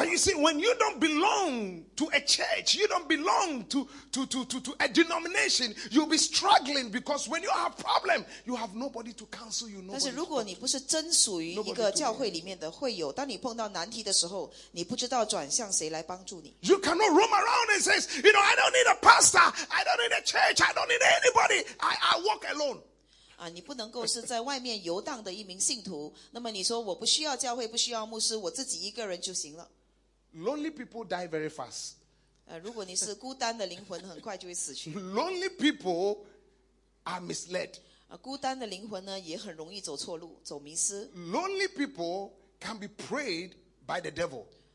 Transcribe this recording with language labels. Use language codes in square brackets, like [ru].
[en] But you see, when you don't belong to a church, you don't belong to a denomination, you'll be struggling because when you have problem, you have nobody to counsel you. [zh] 但是如果你不是真属于一个教会里面的会友，当你碰到难题的时候，你不知道转向谁来帮助你。 [en] You cannot roam around and says, you know, I don't need a pastor, I don't need a church, I don't need anybody, I walk alone. [zh] 你不能够是在外面游荡的一名信徒，那么你说我不需要教会，不需要牧师，我自己一个人就行了。 [en] Lonely people die very fast. [zh] 如果你是孤单的灵魂，很快就会死去。 [en] Lonely people are misled. [zh] 孤单的灵魂呢，也很容易走错路，走迷失。 [en] Lonely people can be prayed by the devil.